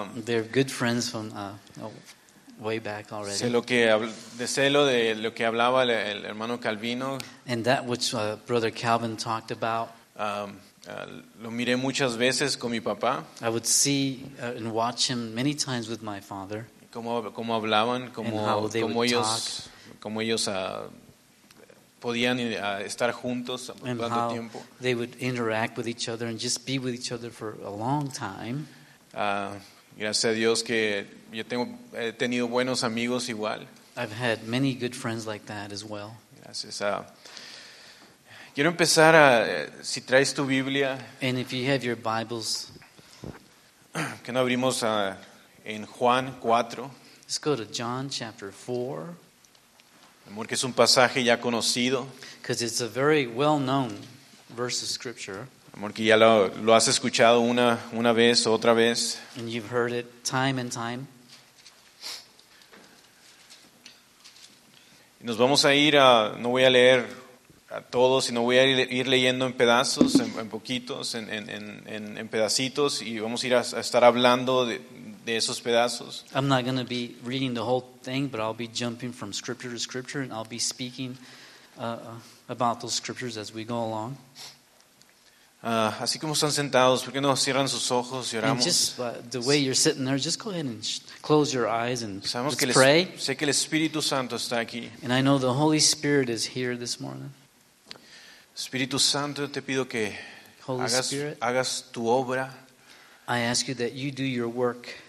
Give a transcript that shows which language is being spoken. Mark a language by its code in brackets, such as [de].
[en] They're good friends from way back already. [es] Sé lo que hablaba el hermano Calvino. [en] And that which Brother Calvin talked about. [es] Lo miré muchas veces con mi papá. [en] I would see and watch him many times with my father. [es] Cómo hablaban, podían estar juntos por tanto tiempo. [en] They would interact with each other and just be with each other for a long time. [es] Gracias a Dios que yo he tenido buenos amigos igual. [en] I've had many good friends like that as well. [es] Gracias. Quiero empezar a si traes tu Biblia. [en] And if you have your Bibles. [es] Que no abrimos en Juan 4. [en] Let's go to John chapter 4. [es] Porque es un pasaje ya conocido. [en] Because it's a very well-known verse of scripture. [es] Porque ya lo has escuchado una vez o otra vez. [en] And you've heard it time and time. [es] Nos vamos a ir a, no voy a leer a todos, sino voy a ir leyendo en pedazos, en poquitos, en pedacitos, y vamos a ir a estar hablando de esos pedazos. [en] I'm not going to be reading the whole thing, but I'll be jumping from scripture to scripture, and I'll be speaking about those scriptures as we go along. [es] Así como están sentados, ¿por qué no cierran sus ojos y oramos? [en] And just the way you're sitting there, just go ahead and close your eyes and [es] sabemos [en] let's pray. [es] Sé que el Espíritu Santo está aquí. [en] And I know the Holy Spirit is here this morning. [es] Espíritu Santo, te pido que hagas tu obra. [en] I ask you that you do your work.